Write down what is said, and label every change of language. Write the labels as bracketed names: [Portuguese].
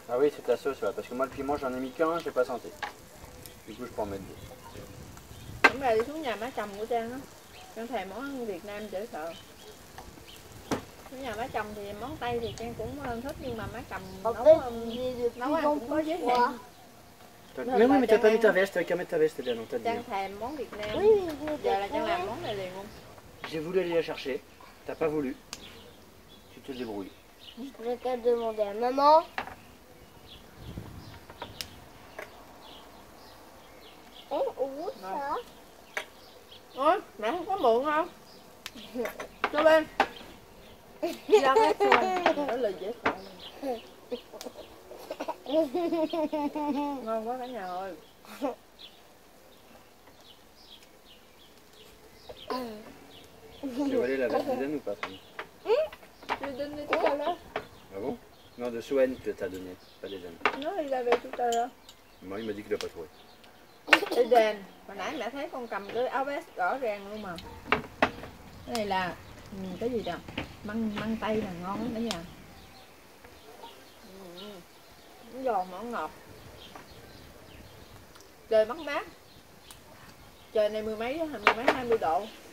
[French] Ah oui, c'est ta sauce, ouais. Parce que moi le piment, j'en ai mis qu'un, j'ai pas senti. Du coup, je peux en mettre deux. Là, [Vietnamese] đi xuống nhà má chồng của Trang á. Trang thèm món Việt Nam dễ sợ. Xuống nhà má chồng thì món Tây thì Trang cũng thích, nhưng mà má chồng nấu ăn cũng có giới hạn. [French] Mais oui, mais t'as pas mis ta veste, t'as qu'à mettre ta veste, bien entendu. [Vietnamese] Trang thèm món Việt Nam. [French] Oui, oui, oui. [Vietnamese] Giờ là Trang làm món này liền luôn. [French] J'ai voulu aller la chercher, t'as pas voulu, tu te débrouilles. Je pourrais qu'à demander à maman. Oh, où ça? Oh, mais c'est pas bon, hein? Ça va? Il arrête, toi. Là, j'ai [Vietnamese] ngon quá cả nhà ơi. [French] Tu veux aller la veste d'Eden ou pas? Je l'ai donné tout à l'heure. Ah bon? Non, de Swen que t'as donné, pas d'Eden. Non, il l'avait tout à l'heure. Moi, il m'a dit qu'il l'a pas trouvé. [Vietnamese] Eden, hồi nãy mẹ thấy con cầm cái áo vest rõ ràng luôn mà. Cái này là cái gì đó? Măng tây là ngon lắm đó nha. Nó giòn mà nó ngọt. Trời mát mát. Trời này mười mấy, mười mấy 20 độ.